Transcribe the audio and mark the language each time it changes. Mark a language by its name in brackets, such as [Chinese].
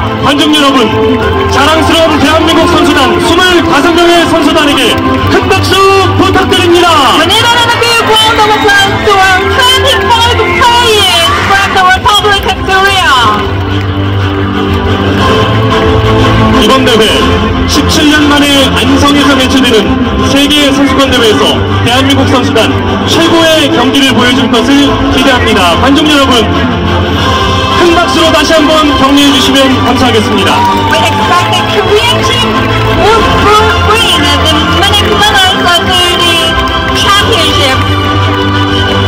[Korean] 관중 여러분, 자랑스러운 대한민국 선수단 25명의 선수단에게 큰 박수 부탁드립니다. [English] We need another big round of applause to our 25 players from the Republic of Korea. [Korean] 이번 대회 17년 만에 안성에서 개최되는 세계선수권대회에서 대한민국 선수단 최고의 경기를 보여줄 것을 기대합니다. 관중 여러분, 큰 박수로 다시 한번 격려해 주시면 감사하겠습니다. [English] We expect the Korean team will pull away in the many finals of the championship.